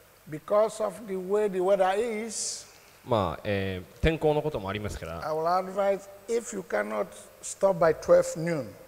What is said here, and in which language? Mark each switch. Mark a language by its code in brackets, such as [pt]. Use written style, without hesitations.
[en] because of the way the weather is, [ja] まあ天候のこともありますから [en] I will advise if you cannot stop by 12 noon